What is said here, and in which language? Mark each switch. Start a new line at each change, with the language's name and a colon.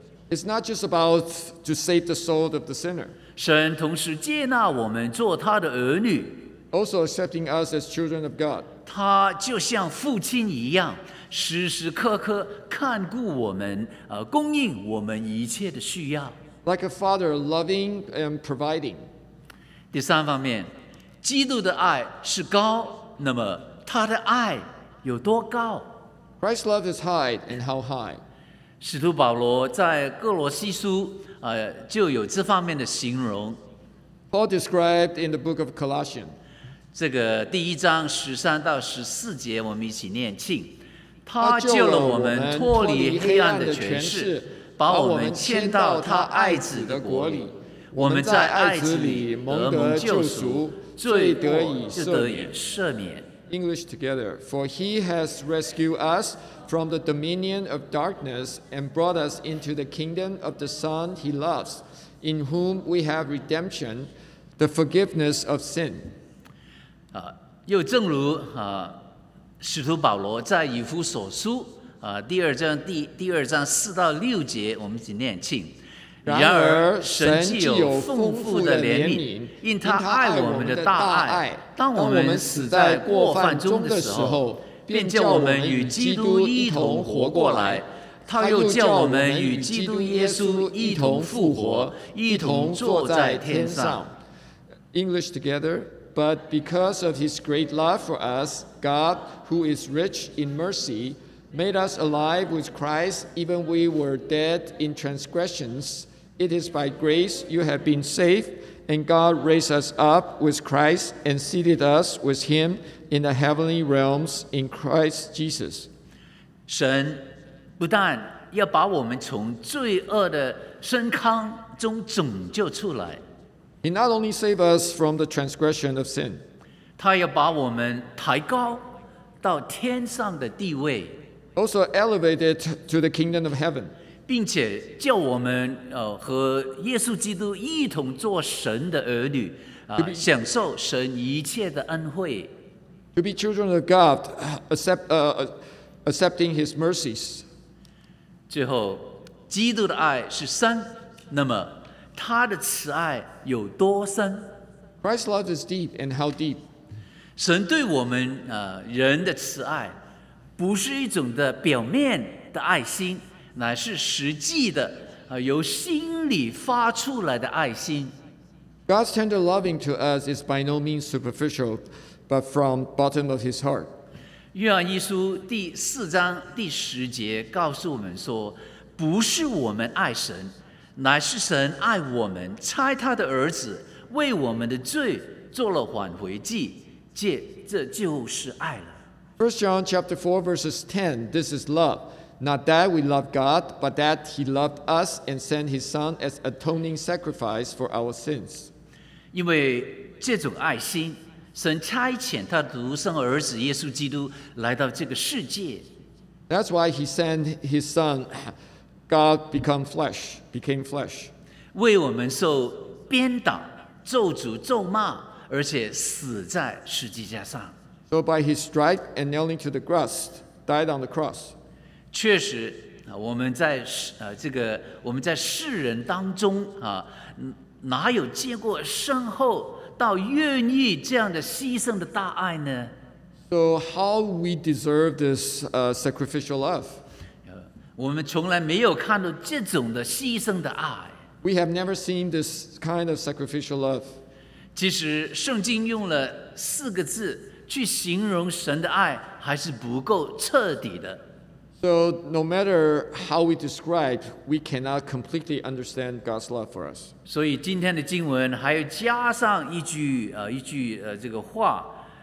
English: It's not just about to save the soul of the sinner.
Chinese: 神同时接纳我们做他的儿女。
English: Also accepting us as children of God.
Chinese: 他就像父亲一样，时时刻刻看顾我们供应我们一切的需要。
English: Like a father loving and providing.
Chinese: 第三方面，基督的爱是高，那么他的爱有多高？
English: Christ's love is high, and how high?
Chinese: 使徒保罗在哥罗西书就有这方面的形容。
English: Paul described in the book of Colossians.
Chinese: 这个第一章十三到十四节，我们一起念，请。他救了我们脱离黑暗的权势，把我们迁到他爱子的国里，我们在爱子里得蒙救赎，罪得以赦免。
English: English together, for he has rescued us from the dominion of darkness and brought us into the kingdom of the Son he loves, in whom we have redemption, the forgiveness of sin.
Chinese: 又正如使徒保罗在以弗所书第二章第二章四到六节，我们一起念，请。然而神既有丰富的怜悯，因他爱我们的大爱，当我们死在过犯中的时候，便叫我们与基督一同活过来。他又叫我们与基督耶稣一同复活，一同坐在天上。
English: English together, but because of his great love for us, God, who is rich in mercy,made us alive with Christ, even we were dead in transgressions. It is by grace you have been saved, and God raised us up with Christ and seated us with him in the heavenly realms in Christ Jesus.
Chinese: 神不但要把我们从罪恶的深坑中拯救出来，
English: He not only saved us from the transgression of sin,
Chinese: 他要把我们抬高到天上的地位，
English: Also elevated to the kingdom of heaven.
Chinese: 并且叫我们和耶稣基督一同做神的儿女享受神一切的恩惠。
English: To be children of God, accepting his mercies.
Chinese: 最后，基督的爱是深，那么他的慈爱有多深？
English: Christ's love is deep, and how deep?
Chinese: 神对我们人的慈爱不是一种的表面的爱心，乃是实际的由心里发出来的爱心。
English: God's tender loving to us is by no means superficial, but from the bottom of his heart.
Chinese: 约翰一书第四章第十节告诉我们说，不是我们爱神，乃是神爱我们，差他的儿子为我们的罪做了挽回祭，这就是爱了。
English: 1 John chapter 4 verses 10, this is love, not that we love God, but that he loved us and sent his son as atoning sacrifice for our sins.
Chinese: 因为这种爱心神差遣他独生儿子耶稣基督来到这个世界。
English: That's why he sent his son, God become flesh, became flesh.
Chinese: 为我们受鞭打、咒诅、咒骂，而且死在十字架上。
English: So by his stripes and nailing to the cross, died on the cross.
Chinese: 确实，我们在这个我们在世人当中啊，哪有见过身后到愿意这样的牺牲的大爱呢？
English: So how we deserve this sacrificial love?
Chinese: 我们从来没有看到这种的牺牲的爱。
English: We have never seen this kind of sacrificial love.
Chinese: 其实圣经用了四个字去形容神的爱，还是不够彻底的。
English: So no matter how we describe, we cannot completely understand God's love for us.
Chinese: 所以今天的经文还要加上一句一句这个话。